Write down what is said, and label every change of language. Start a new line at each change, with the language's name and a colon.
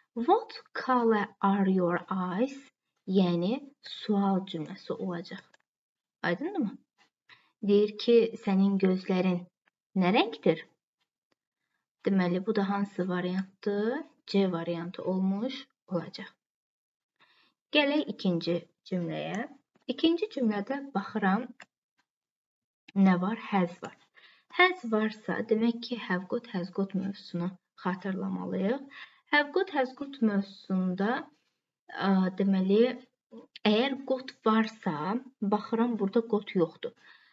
English: What color are your eyes?
Azerbaijani: Yəni, sual cümləsi olacaq. Aydındır mı? Deyir ki, sənin gözlərin nə rəngdir? Deməli, bu da hansı variantdır? C variantı olmuş olacaq. Gəlir ikinci cümləyə. İkinci cümlədə baxıram, nə var? Has var. Has varsa, demək ki, have got, has got mövzusunu xatırlamalıyıq. Have got, has got mövzusunda deməli, əgər got varsa, baxıram burada got yoxdur.